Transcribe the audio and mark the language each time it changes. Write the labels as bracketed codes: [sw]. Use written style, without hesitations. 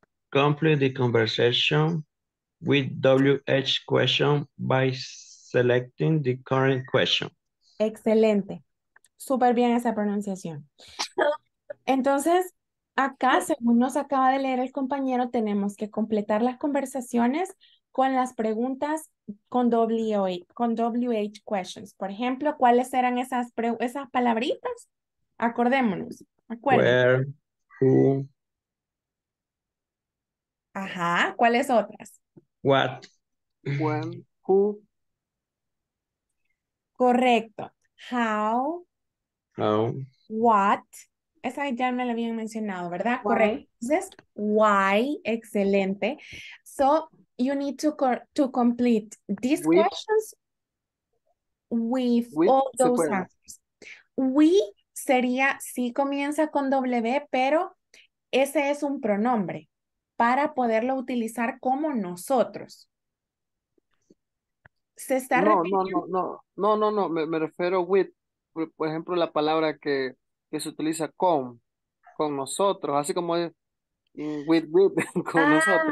[en] Complete the conversation with WH question by selecting the current question. [es] Excelente. Súper bien esa pronunciación. Entonces, acá, según nos acaba de leer el compañero, tenemos que completar las conversaciones con las preguntas con WH questions. Por ejemplo, ¿cuáles eran esas palabritas? Acordémonos. [en] Acuérdense. Where, who. [es] Ajá, ¿cuáles otras? [en] What. When, who. [es] Correcto. How. [en] How. [es] What. Esa ya me la habían mencionado, ¿verdad? Why. Correcto. Entonces, why, excelente. [en] So, you need to complete these with, questions with all those answers. [es] We sería, sí comienza con W, pero ese es un pronombre para poderlo utilizar como nosotros. ¿Se está refiriendo? No. Me refiero with, por ejemplo, la palabra que se utiliza con nosotros, así como with, con nosotros.